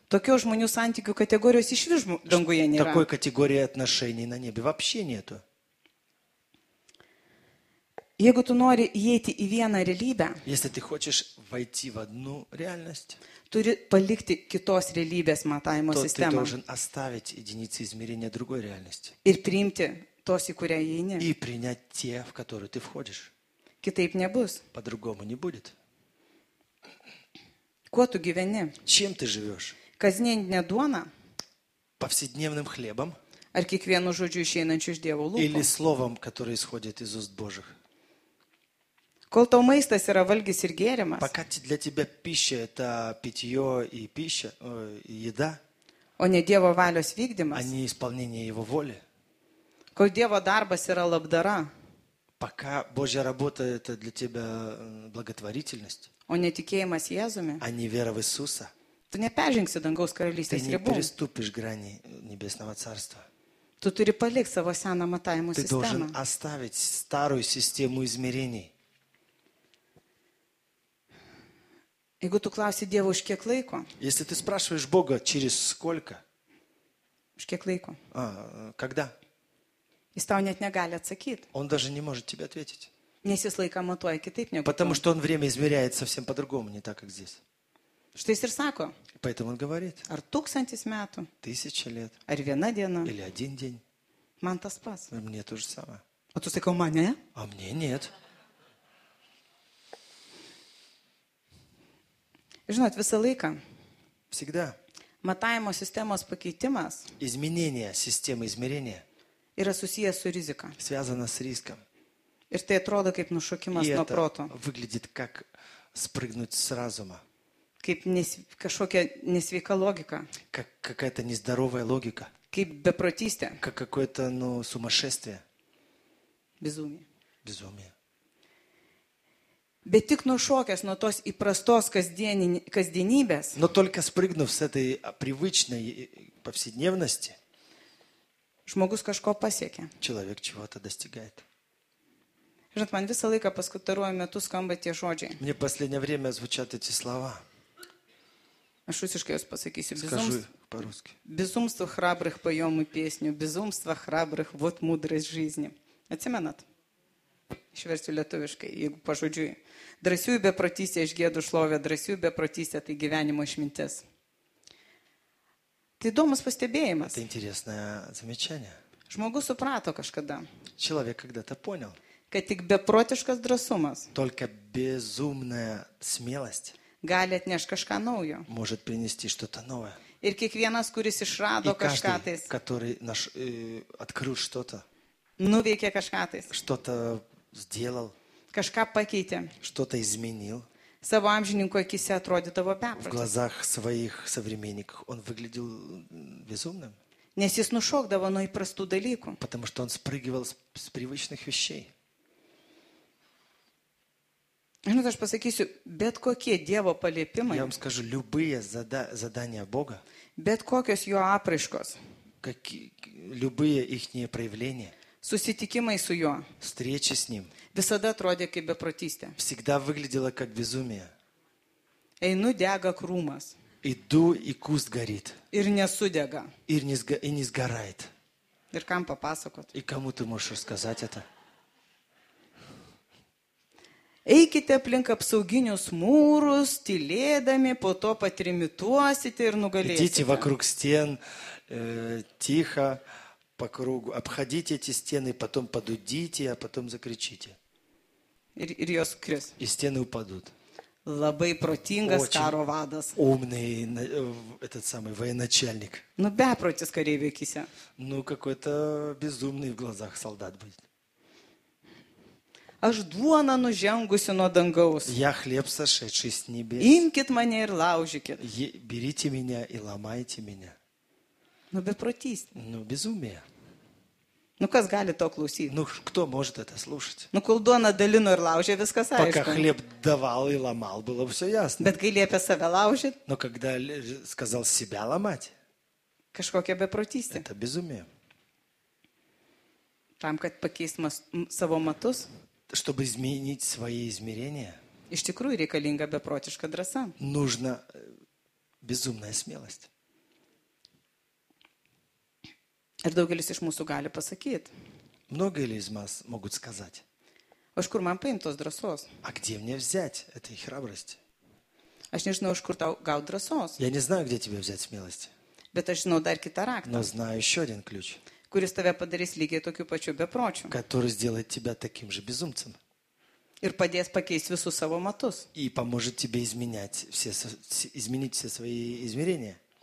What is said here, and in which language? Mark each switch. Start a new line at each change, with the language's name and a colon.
Lithuanian: Tokio žmonių santykių kategorijos iš vis danguje nėra.
Russian: Такой категории отношений на небе вообще нету.
Lithuanian: Jeigu tu nori įeiti į vieną realybę,
Russian: если ты хочешь войти в одну реальность,
Lithuanian: turi palikti kitos realybės matavimo sistemą.
Russian: Ты должен оставить единицы измерения другой реальности.
Lithuanian: Ir priimti tos, į kurią įeini.
Russian: И принять те, в которую ты входишь.
Lithuanian: Kitaip nebus.
Russian: По-другому не будет.
Lithuanian: Kuo tu gyveni?
Russian: Чем ты живешь?
Lithuanian: Kasdieninė duona?
Russian: Повседневным хлебом?
Lithuanian: Ar kiekvienu žodžiu išeinančiu iš Dievo lūpų?
Russian: Или словом, которое исходит из уст Божьих?
Lithuanian: Kol tau maistas yra valgis ir gėrimas?
Russian: Пока для тебя пища это питье и пища, еда?
Lithuanian: O ne Dievo valios vykdymas?
Russian: А не исполнение Его воли?
Lithuanian: Kol Dievo darbas yra labdara?
Russian: Пока Божья работа это для тебя благотворительность?
Lithuanian: O ne tikėjimas Jėzumi.
Russian: А не вера в Иисуса.
Lithuanian: Tu neperžingsi dangaus karalystės ribų.
Russian: Ты не переступишь грани небесного царства.
Lithuanian: Tu turi palikti savo seną matavimo
Russian: sistemą. Ты должен оставить старую систему измерений.
Lithuanian: Jeigu tu klausi Dievo, už kiek laiko?
Russian: Если ты спрашиваешь Бога, через сколько?
Lithuanian: Už kiek laiko?
Russian: А, когда?
Lithuanian: Jis tau net negali atsakyti.
Russian: Он даже не может тебе ответить.
Lithuanian: Nes jis laiką matuoja kitaip negu.
Russian: Потому что он время измеряет совсем по-другому, не так, как здесь.
Lithuanian: Что jis ir sako?
Russian: Поэтому он говорит.
Lithuanian: Ar tūkstantis metų?
Russian: Тысяча лет.
Lithuanian: Ar viena diena?
Russian: Или один день.
Lithuanian: Man tas pas.
Russian: Мне то же самое. А ты сказал, мне? А мне нет.
Lithuanian: Žinot, visą laiką.
Russian: Всегда.
Lithuanian: Matavimo sistemos pakeitimas.
Russian: Изменение системы измерения.
Lithuanian: Yra susiję su rizika.
Russian: Связано с риском.
Lithuanian: Ir tai atrodo kaip nušokimas
Russian: и
Lithuanian: nuo proto.
Russian: Выглядит как спрыгнуть с разума.
Lithuanian: Kaip kažkokia nesveika logika.
Russian: Как какая-то нездоровая логика.
Lithuanian: Kaip бепротистя.
Russian: Как какое-то, ну, сумасшествие. Безумие. Безумие.
Lithuanian: Bet tik nušokęs nuo tos įprastos kasdienybės.
Russian: Но только спрыгнув с этой привычной повседневности.
Lithuanian: Žmogus kažko pasiekė.
Russian: Человек чего-то достигает.
Lithuanian: Žinot, man visą laiką paskutaruoju metu skamba tie žodžiai.
Russian: Мне последнее время звучат эти слова.
Lithuanian: Aš rusiškai jūs pasakysiu.
Russian: Скажу по-русски. Безумство храбрых поем и песню. Безумство храбрых, вот мудрость жизни.
Lithuanian: Atsimenat? Išversiu lietuviškai, jeigu pažodžiui. Drąsių beprotystė iš gėdų šlovė, drąsių beprotystė tai gyvenimo išmintis. Tai įdomus pastebėjimas. Tai interesnė
Russian: замечание.
Lithuanian: Žmogus suprato kažkada.
Russian: Человек когда-то понял.
Lithuanian: Kad tik beprotiškas drąsumas.
Russian: Только безумная смелость.
Lithuanian: Gali atnešti kažką naujo.
Russian: Может принести что-то новое.
Lithuanian: Ir kiekvienas, kuris išrado kažką tai.
Russian: Который открыл что-то.
Lithuanian: Nuveikė kažką tai.
Russian: Что-то сделал.
Lithuanian: Kažką pakeitė.
Russian: Что-то изменил.
Lithuanian: Savo amžininko akise atrodydavo beprotis.
Russian: В глазах своих современников он выглядел безумным.
Lithuanian: Nes jis nušokdavo nuo įprastų dalykų.
Russian: Потому что он спрыгивал с привычных вещей.
Lithuanian: Žinot, aš pasakysiu, bet kokie Dievo paliepimai.
Russian: Я вам скажу, любые задания Бога.
Lithuanian: Bet kokios jo apraiškos.
Russian: Любые их проявления.
Lithuanian: Susitikimai su juo.
Russian: Встречи с ним.
Lithuanian: Visada atrodė kaip beprotystė.
Russian: Всегда выглядело как безумие.
Lithuanian: Einu dega krūmas.
Russian: Иду и куст горит.
Lithuanian: Ir nesudega.
Russian: И не сгорает.
Lithuanian: Ir kam papasakot?
Russian: И кому ты можешь рассказать это?
Lithuanian: Eikite aplink apsauginius mūrus, tylėdami, po to patrimituosite ir nugalėsite.
Russian: Идите вокруг стен тихо. По кругу, обходите эти стены, потом подудите, а потом закричите.
Lithuanian: Ir jos kris.
Russian: И стены упадут.
Lithuanian: Labai protingas karo vadas.
Russian: Умный этот самый военачальник.
Lithuanian: Ну, бепротис кореве кися.
Russian: Ну, какой-то безумный в глазах солдат будет.
Lithuanian: Aš duona nužengusiu nuo dangaus.
Russian: Я хлеб сошедший с небес.
Lithuanian: Имкит меня и лаужикит.
Russian: Берите меня и ломайте меня.
Lithuanian: Ну, бепротись.
Russian: Ну, безумие.
Lithuanian: Ну, kas gali to klausyti?
Russian: Ну, кто может это слушать?
Lithuanian: Ну, kol duona dalino ir laužė, viskas aišku.
Russian: Пока хлеб давал и ломал, было все ясно.
Lithuanian: Bet kai liepė save laužyt?
Russian: Но когда сказал себя ломать?
Lithuanian: Kažkokia beprotystė.
Russian: Это безумие.
Lithuanian: Tam, kad pakeist savo matus?
Russian: Чтобы изменить свои измерения?
Lithuanian: Iš tikrųjų reikalinga beprotiška drąsa.
Russian: Нужна безумная смелость.
Lithuanian: Ir daugelis iš mūsų gali pasakyti.
Russian: Многие из нас могут сказать.
Lithuanian: Aš kur man paimt tos drąsos?
Russian: А где мне взять этой храбрости?
Lithuanian: Aš nežinau, iš kur tau gaut drąsos.
Russian: Я не знаю, где тебе взять смелости.
Lithuanian: Bet aš žinau dar kitą raktą.
Russian: Но знаю еще один ключ.
Lithuanian: Kuris tave padarys lygiai tokiu pačiu bepročiu.
Russian: Который сделает тебя таким же безумцем.
Lithuanian: Ir padės pakeisti visus savo matus.
Russian: И поможет тебе изменить все свои измерения.